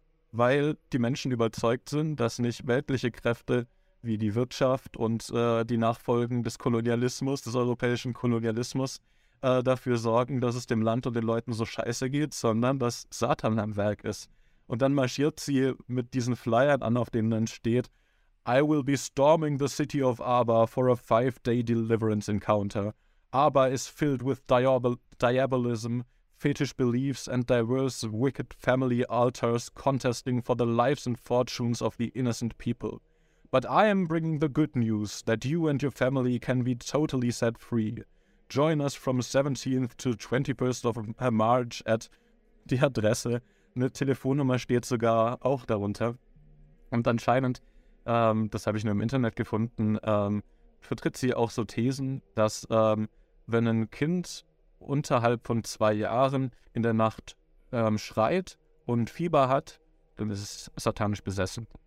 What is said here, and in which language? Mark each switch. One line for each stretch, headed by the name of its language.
German: weil die Menschen überzeugt sind, dass nicht weltliche Kräfte wie die Wirtschaft und die Nachfolgen des Kolonialismus, des europäischen Kolonialismus, dafür sorgen, dass es dem Land und den Leuten so scheiße geht, sondern dass Satan am Werk ist. Und dann marschiert sie mit diesen Flyern an, auf denen dann steht:
English: I will be storming the city of Aba for a 5-day deliverance encounter. Aba is filled with diabolism, fetish beliefs, and diverse wicked family altars contesting for the lives and fortunes of the innocent people. But I am bringing the good news that you and your family can be totally set free. Join us from 17th to 21st of March at
German: die Adresse. Eine Telefonnummer steht sogar auch darunter. Und anscheinend, das habe ich nur im Internet gefunden, vertritt sie auch so Thesen, dass wenn ein Kind unterhalb von 2 Jahren in der Nacht schreit und Fieber hat, dann ist es satanisch besessen.